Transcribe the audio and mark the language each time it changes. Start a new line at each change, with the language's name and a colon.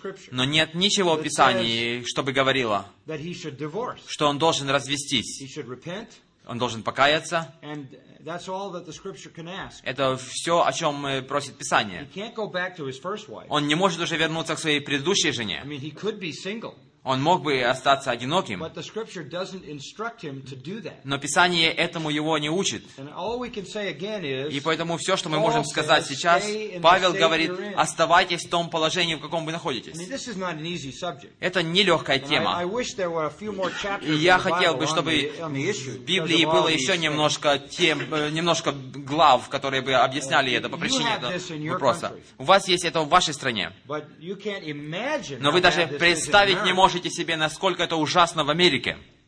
Russian: Но нет ничего в Писании, чтобы говорило, что он должен развестись. Он должен покаяться.
English: That's all that the scripture can ask.
Russian: Это все, о чем просит Писание.
English: He can't go back to his first wife.
Russian: Он не может уже вернуться к своей предыдущей жене.
English: I mean, he could be single.
Russian: Он мог бы остаться одиноким.
English: But the scripture doesn't instruct him to do that.
Russian: Но Писание этому его не учит.
English: And all we can say again is,
Russian: и поэтому все, что мы можем сказать сейчас, Павел говорит, оставайтесь в том положении, в каком вы находитесь.
English: I mean, this is not an easy subject.
Russian: Это нелегкая тема.
English: And I wish there were a few more chapters.
Russian: И я хотел бы, чтобы в Библии было еще немножко глав, которые бы объясняли это по причине этого вопроса. У вас есть это в вашей стране. Но вы даже представить не можете себе, насколько это ужасно в Америке.